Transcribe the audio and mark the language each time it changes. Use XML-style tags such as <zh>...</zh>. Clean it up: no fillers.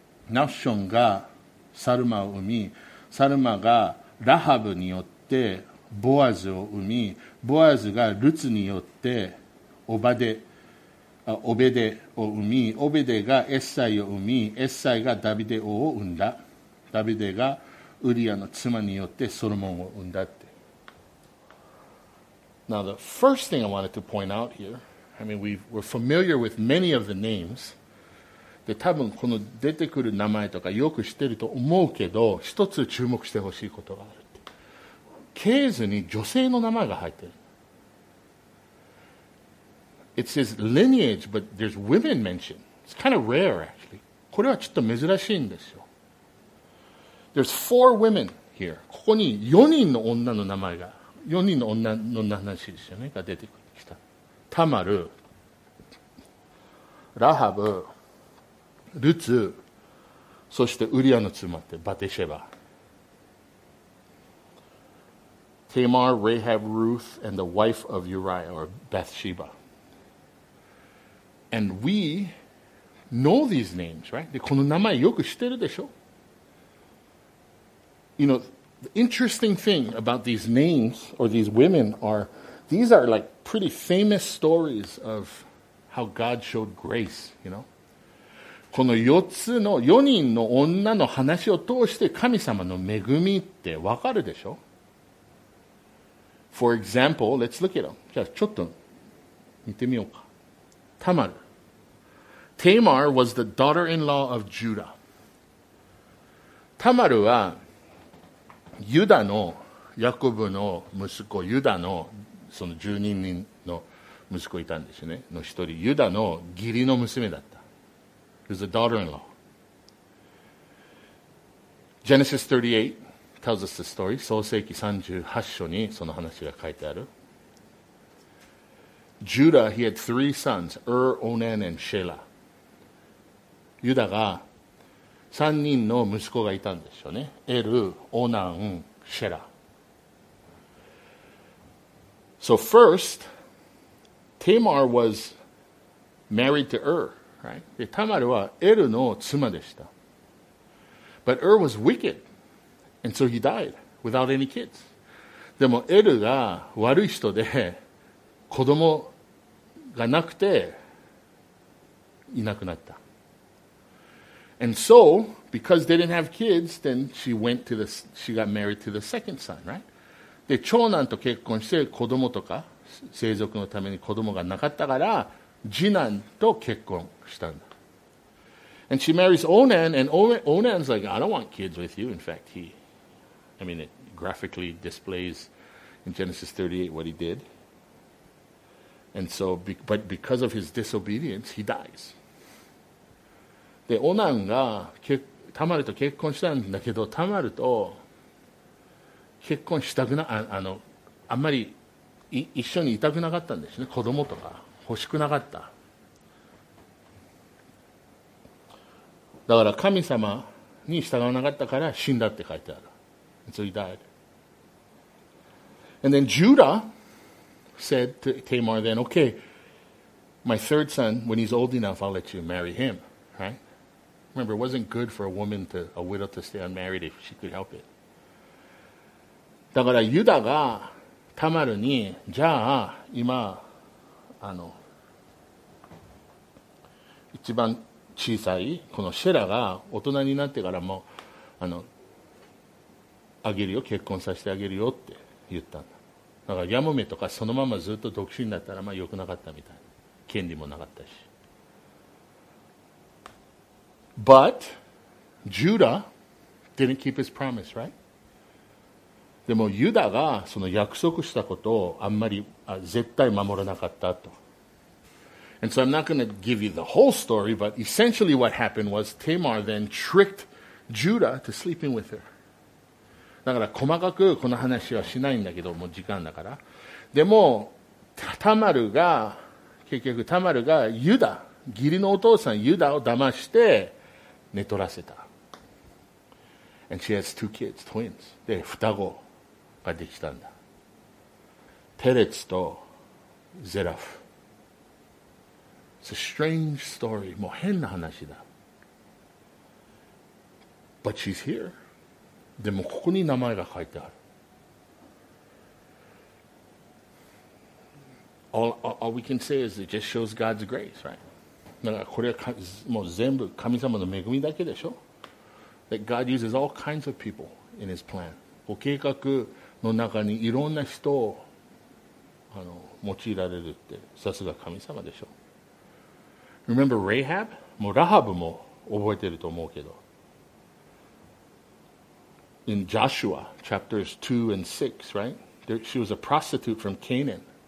<ja>ナフションがサルマを産み、サルマがラハブによってボアズを産み、ボアズがルツによってオベデを産み、オベデがエッサイを産み、エッサイがダビデ王を産んだ。ダビデがウリアの妻によってソロモンを産んだって。</ja> <en>Now the first thing I wanted to point out here, I mean we're familiar with many of the names.</en> <ja>で多分この出てくる名前とかよく知ってると思うけど、一つ注目してほしいことがあるって。系図に女性の名前が入ってる。</ja> <en>It says lineage, but there's women mentioned. It's kind of rare, actually.</en> <ja>これはちょっと珍しいんですよ。</ja> <en>There's four women here.</en> <ja>ここに4人の女の名前が、4人の女の話ですよね、が出てきた。タマル、ラハブ、ルツ、そしてウリアの妻ってバテシェバ。</ja> <en>テマー、レハブ、ルーツ、and the wife of Uriah, or Bathsheba. And we know these names, right?</en> <ja>で、この名前よく知ってるでしょ?</ja> <en>You know, the interesting thing about these names, or these women, are these are like pretty famous stories of how God showed grace, you know?</en> <ja>この4つの4人の女の話を通して神様の恵みってわかるでしょ?</ja> <en>For example, let's look at them.</en> <ja>じゃあちょっと見てみようか。タマル。</ja> <en>Tamar was the daughter-in-law of Judah.</en> <ja>タマルはユダのヤコブの息子ユダのその12人の息子いたんですよね、の一人ユダの義理の娘だった。</ja> <en>He was a daughter-in-law. Genesis 38 tells us the story.</en> <ja>創世記38章にその話が書いてある。</ja> <en>Judah, he had three sons, Onan, and Shelah.</en> <ja>ユダが三人の息子がいたんですよね。エル、オナン、シェラ。</ja> <en>So first, Tamar was married to right?</en> <ja>で、タマルはエルの妻でした。</ja> <en>But was wicked, and so he died without any kids.</en> <ja>でもエルが悪い人で子供がなくていなくなった。</ja> <en>And so, because they didn't have kids, then she got married to the second son, right?</en> <ja>で、長男と結婚して子供とか、生族のために子供がなかったから、次男と結婚したんだ。</ja> <en>And she marries Onan, and Onan's like, I don't want kids with you. In fact, it graphically displays in Genesis 38 what he did. And so, but because of his disobedience, he dies.</en> <ja>でオナンがタマルと結婚したんだけど、タマルと結婚したくな、あんまり一緒にいたくなかったんですね。子供とか欲しくなかった。だから神様に従わなかったから死んだって書いてある。</ja> <en>And so he died. And then Judah said to Tamar then, okay, my third son, when he's old enough, I'll let you marry him, right? Remember, it wasn't good for a widow to stay unmarried if she could help it.</en> <ja>だからユダがタマルに、じゃあ今一番小さいこのシェラが大人になってからもあげるよ、結婚させてあげるよって言ったんだ。だからヤモメとかそのままずっと独身だったら良くなかったみたいな、権利もなかったし。</ja> <en>But Judah didn't keep his promise, right?</en> <ja>でもユダがその約束したことをあんまり絶対守らなかったと。</ja> <en>And so I'm not going to give you the whole story, but essentially what happened was Tamar then tricked Judah to sleeping with her.</en> <ja>だから細かくこの話はしないんだけど、もう時間だから。でもタマルが、結局タマルがユダ、義理のお父さんユダを騙して、寝取らせた。</ja> <en>And she has two kids, twins.</en> <ja>で、双子ができたんだ。ペレツとゼラフ。</ja> <en>It's a strange story.</en> <ja>もう変な話だ。</ja> <en>But she's here.</en> <ja>でもここに名前が書いてある。</ja> <en>All we can say is it just shows God's grace, right?</en> <ja>だからこれはもう全部神様の恵みだけでしょ。</ja> <en>That God uses all kinds of people in his plan.</en> <ja>お計画の中にいろんな人を用いられるって、さすが神様でしょ。</ja> <en>Remember Rahab?</en> <ja>もうラハブも覚えてると思うけど。</ja> <en>In Joshua chapters 2 and 6, right? There, she was a prostitute from Canaan.</en>